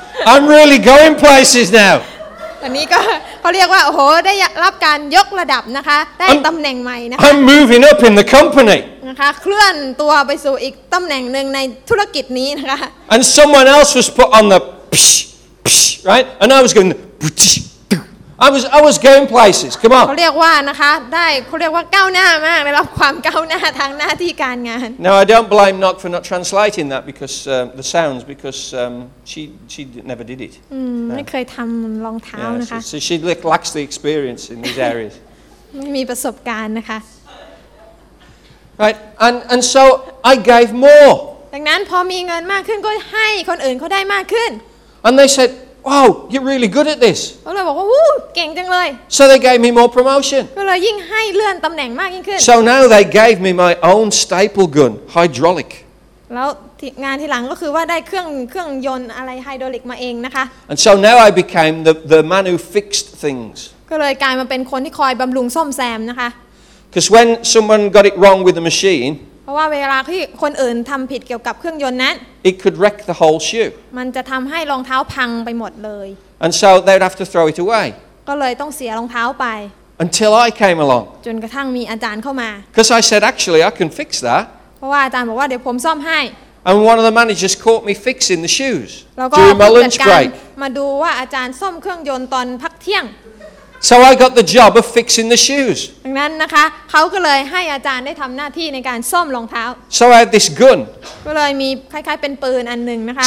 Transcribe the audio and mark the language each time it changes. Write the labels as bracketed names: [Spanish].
[English] I'm really going places now [Thai] ตอนนี้ก็เขาเรียกว่าโอ้โหได้รับการยกระดับนะคะได้ตำแหน่งใหม่นะคะ [English] I'm moving up in the company [Thai] นะคะเคลื่อนตัวไปสู่อีกตำแหน่งหนึ่งในธุรกิจนี้นะคะ [English] And someone else was put on the psh, psh, right and I was going ปุชี่I was going places. Come on. [Thai] เขาเรียกว่านะคะได้เขาเรียกว่าก้าวหน้ามากในระดับความก้าวหน้าทางหน้าที่การงาน [English] Now I don't blame Nock for not translating that because the sounds because she never did it. [Thai] ไม่เคยทำรองเท้านะคะ [English] So she lacks the experience in these areas. [Thai] ไม่มีประสบการณ์นะคะ [English] Right and so I gave more. [Thai] ดังนั้นพอมีเงินมากขึ้นก็ให้คนอื่นเขาได้มากขึ้น [English] And they said. Wow, you're really good at this. [Thai] เขาเลยบอกว่าวู้เก่งจังเลย [English] So they gave me more promotion. [Thai] ก็เลยยิ่งให้เลื่อนตำแหน่งมากยิ่งขึ้น [English] So now they gave me my own staple gun, hydraulic. [Thai] แล้วงานที่หลังก็คือว่าได้เครื่องยนต์อะไรไฮดรอลิกมาเองนะคะ [English] And so now I became the man who fixed things. [Thai] ก็เลยกลายมาเป็นคนที่คอยบำรุงซ่อมแซมนะคะ [English] Because when someone got it wrong with the machine. [Thai] เพราะว่าเวลาที่คนอื่นทำผิดเกี่ยวกับเครื่องยนต์นั้น [English] It could wreck the whole shoe [Thai] มันจะทำให้รองเท้าพังไปหมดเลย [English] And so they'd have to throw it away [Thai] ก็เลยต้องเสียรองเท้าไป [English] Until I came along [Thai] จนกระทั่งมีอาจารย์เข้ามา [English] Because I said actually I can fix that [Thai] เพราะว่าอาจารย์บอกว่าเดี๋ยวผมซ่อมให้ [English] And one of the managers caught me fixing the shoes during my lunch break [Thai] มาดูว่าอาจารย์ซ่อมเครื่องยนต์ตอนพักเที่ยง [English] So I got the job of fixing the shoes. [Thai] ดังนั้นนะคะเขาก็เลยให้อาจารย์ได้ทำหน้าที่ในการซ่อมรองเท้า [English] So I had this gun. [Thai] ก็เลยมีคล้ายๆเป็นปืนอันหนึ่งนะคะ